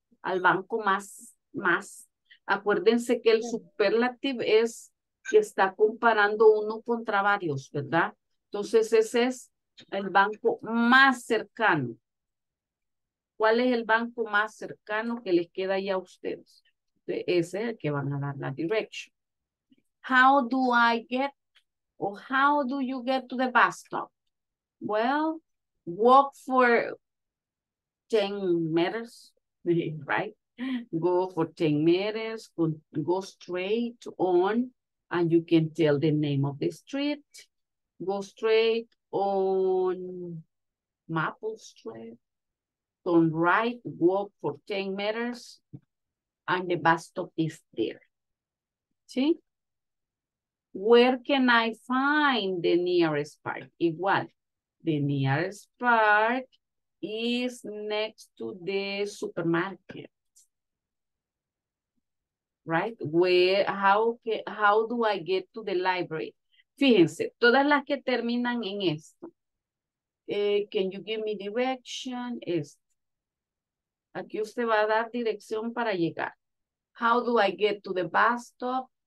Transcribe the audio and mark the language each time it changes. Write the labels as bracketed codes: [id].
[es] Al banco más. Acuérdense que el superlative es que está comparando uno contra varios, ¿verdad? Entonces ese es el banco más cercano. ¿Cuál es el banco más cercano que les queda ahí a ustedes? Ese es el que van a dar la dirección. [en] How do I get, or how do you get to the bus stop? Well, walk for 10 meters, right? Go for 10 meters, go straight on, and you can tell the name of the street. Go straight on Maple Street. Turn right, walk for 10 meters, and the bus stop is there. ¿Sí? Where can I find the nearest park? Igual, the nearest park is next to the supermarket. Right? How do I get to the library? [es] Fíjense, todas las que terminan en esto. [en] Can you give me direction? [es] Esto. Aquí usted va a dar dirección para llegar. [en] How do I get to the bus stop?